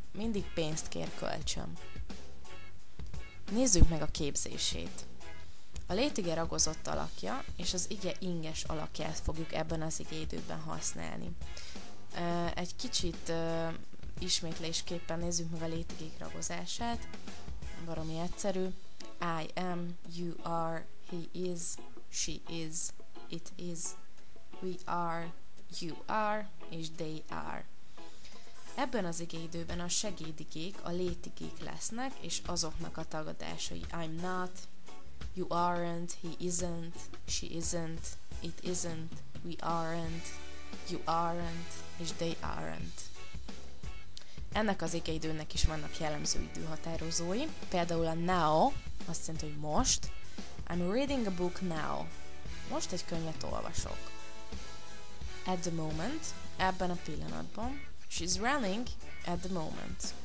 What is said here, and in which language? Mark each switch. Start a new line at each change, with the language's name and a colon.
Hungarian: Mindig pénzt kér kölcsön. Nézzük meg a képzését. A létige ragozott alakja és az ige inges alakját fogjuk ebben az igeidőben használni. Egy kicsit ismétlésképpen nézzük meg a létigék ragozását. Baromi egyszerű.
English: I am, you are, he is, she is, it is, we are, you are, és they are.
Hungarian: Ebben az igeidőben a segédigék a létigék lesznek, és azoknak a tagadásai.
English: I'm not, you aren't, he isn't, she isn't, it isn't, we aren't, you aren't, és they aren't.
Hungarian: Ennek az igeidőnek is vannak jellemző időhatározói, például a now, azt jelenti, hogy most.
English: I'm reading a book now.
Hungarian: Most egy könyvet olvasok.
English: At the moment,
Hungarian: ebben a pillanatban.
English: She's running at the moment.